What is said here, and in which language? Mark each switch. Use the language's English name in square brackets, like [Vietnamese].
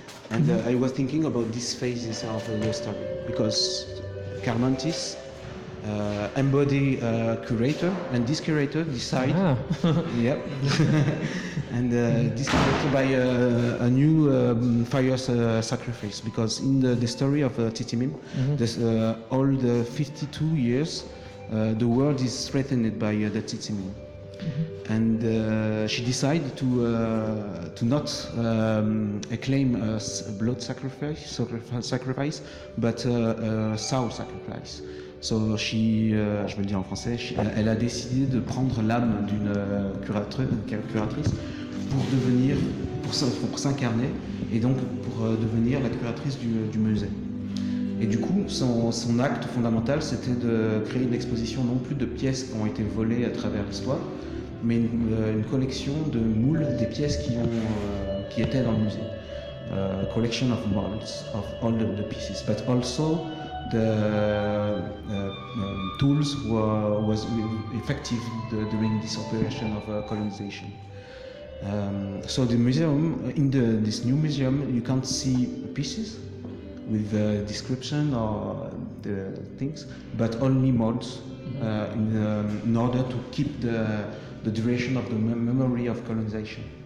[English] And I was thinking about these phases of the story, because Carmentis embody a curator, and this curator decide, yep, and this curator by a new fire sacrifice, because in the story of Tzitzimim, all the 52 years, the world is threatened by the Tzitzimim. And she decided to not acclaim a blood sacrifice, but a soul sacrifice. So she, [French] je vais le dire en français, elle a décidé de prendre l'âme d'une curatrice pour devenir, pour s'incarner, et donc pour devenir la curatrice du musée. Et du coup, son acte fondamental, c'était de créer une exposition non plus de pièces qui ont été volées à travers l'histoire, mais une collection de moules des pièces qui étaient dans le musée. [English] Collection of molds of all the pieces, but also the tools was effective during this operation of colonization. So the museum, in this new museum, you can't see pieces with the description or the things, but only molds in order to keep the duration of the memory of colonization.